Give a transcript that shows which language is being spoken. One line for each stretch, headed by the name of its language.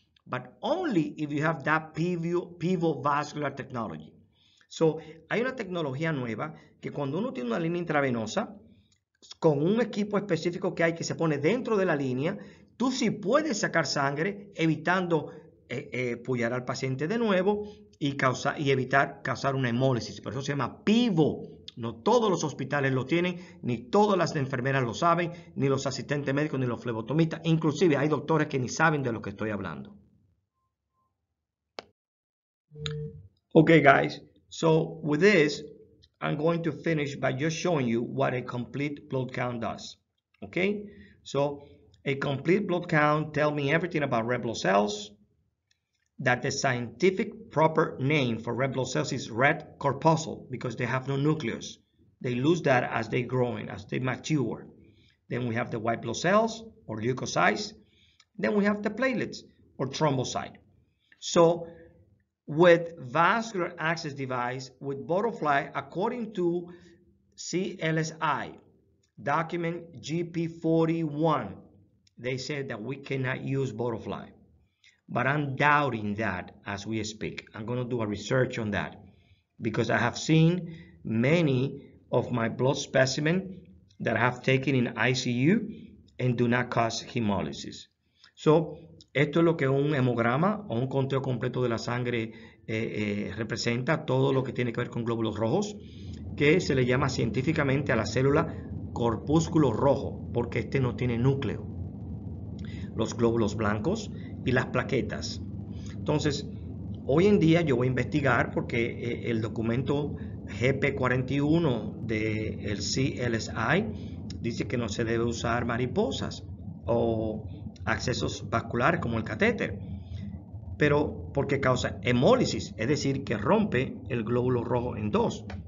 English: But only if you have that pivot vascular technology.
Spanish: So, hay una tecnología nueva que cuando uno tiene una línea intravenosa, con un equipo específico que hay que se pone dentro de la línea, tú sí puedes sacar sangre evitando puyar al paciente de nuevo y evitar causar una hemólisis. Por eso se llama pivot. No todos los hospitales lo tienen, ni todas las enfermeras lo saben, ni los asistentes médicos, ni los flebotomistas. Inclusive hay doctores que ni saben de lo que estoy hablando.
English: Okay, guys. So with this, I'm going to finish by just showing you what a complete blood count does. Okay? So a complete blood count tells me everything about red blood cells, that the scientific proper name for red blood cells is red corpuscle because they have no nucleus. They lose that as they're growing, as they mature. Then we have the white blood cells or leukocytes. Then we have the platelets or thrombocyte. So with vascular access device, with Butterfly, according to CLSI, document GP41, they said that we cannot use Butterfly. But I'm doubting that as we speak. I'm going to do a research on that because I have seen many of my blood specimen that I have taken in ICU and do not cause hemolysis.
Spanish: So, esto es lo que un hemograma o un conteo completo de la sangre representa, todo lo que tiene que ver con glóbulos rojos, que se le llama científicamente a la célula corpúsculo rojo, porque este no tiene núcleo. Los glóbulos blancos y las plaquetas. Entonces, hoy en día yo voy a investigar porque el documento GP41 del CLSI dice que no se debe usar mariposas o accesos vasculares como el catéter, pero porque causa hemólisis, es decir, que rompe el glóbulo rojo en dos.